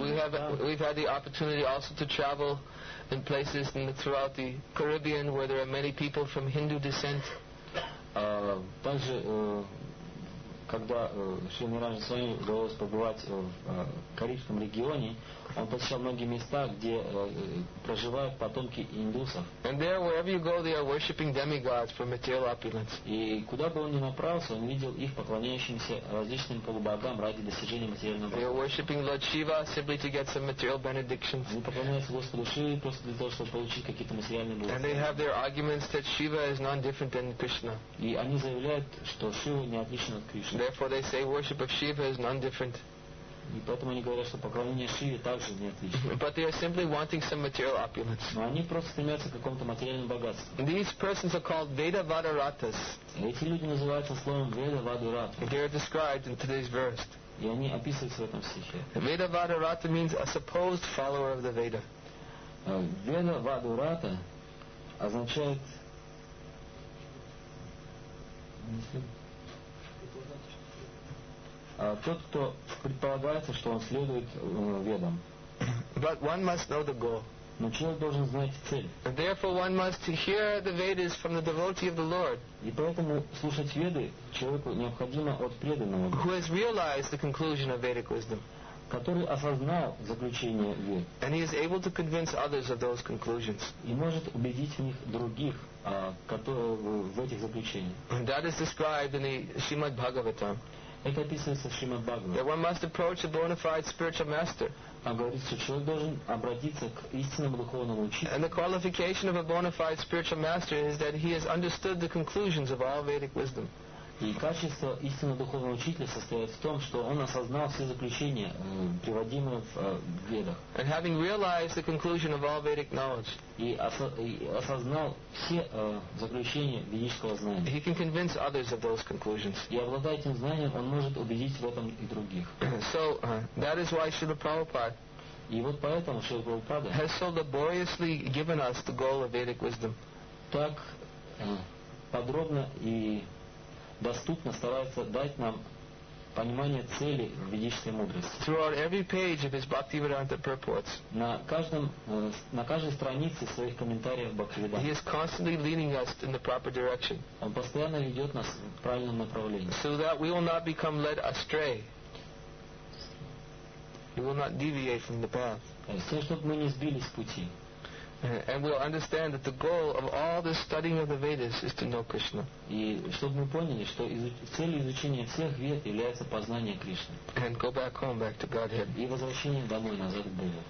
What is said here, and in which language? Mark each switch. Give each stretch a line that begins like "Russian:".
English: we have,
Russian: места.
English: We've had the opportunity also to travel in places throughout the Caribbean where there are many people from Hindu descent.
Russian: Также, когда Шри Нираджа Свами удалось побывать в Карибском регионе, он посещал многие места, где проживают потомки индусов.
English: And there, wherever you go, they are worshipping demigods for material opulence.
Russian: И куда бы он ни направился, он видел их поклоняющимися различным полубогам ради достижения материального блага.
English: They are worshipping Lord Shiva simply to get some material benedictions.
Russian: Они поклоняются Господу Шиве просто для того, чтобы получить какие-то материальные блага.
English: And they have their arguments that Shiva is none different than Krishna.
Russian: И они заявляют, что Шива не отличен от Кришны.
English: Therefore, they say worship of Shiva is none different.
Russian: И поэтому они говорят, что поклонение Шиве также не отлично.
English: But they are simply wanting some material opulence.
Russian: Но они просто стремятся к какому-то материальному богатству.
English: These persons are called Veda-Vadaratas.
Russian: Эти люди называются словом Veda-Vadarata.
English: They are described in today's verse.
Russian: И они описываются в этом стихе.
English: Veda-Vadarata means a supposed follower of the Veda.
Russian: Veda-Vadarata означает... Uh, Тот, кто предполагается, что он следует ведам.
English: But one must know the goal.
Russian: Но человек должен знать цель.
English: And therefore one must hear the Vedas from the devotee of the Lord.
Russian: И поэтому слушать Веды человеку необходимо от преданного.
English: Who has realized the conclusion of Vedic wisdom.
Russian: Который осознал заключение Вед.
English: And he is able to convince others of those conclusions.
Russian: И может убедить в них других, в этих заключениях.
English: And that is described in the Srimad Bhagavatam.
Russian: Это описывается в Шримад Бхагаватам.
English: That one must approach a bona fide spiritual master.
Russian: Он говорит, что человек должен обратиться к истинному духовному учителю.
English: And the qualification of a bona fide spiritual master is that he has understood the conclusions of all Vedic wisdom.
Russian: И качество истинного духовного учителя состоит в том, что он осознал все заключения, приводимые в Ведах.
English: And having realized the conclusion of all Vedic knowledge.
Russian: И осознал все заключения ведического знания.
English: He can convince others of those conclusions.
Russian: И обладая этим знанием, он может убедить в этом и других.
English: So, that is why Srila Prabhupada.
Russian: И вот поэтому Шрила Прабхупада
English: has so laboriously given us the goal of Vedic wisdom.
Russian: Так подробно и доступно старается дать нам понимание цели ведической мудрости.
English: Throughout every page of his Bhaktivedanta purports,
Russian: на каждой странице своих комментариев Бхактивиданта,
English: he is constantly leading us in the proper direction.
Russian: Он постоянно ведет нас в правильном направлении.
English: So that we will not become led astray. We will not deviate from the path.
Russian: Все, чтобы мы не сбились с пути.
English: And we'll understand that the goal of all this studying of the Vedas is to know Krishna.
Russian: И чтобы мы поняли, что цель изучения всех вед является познание Кришны.
English: And go back home, back to Godhead.
Russian: И возвращение домой назад к Богу.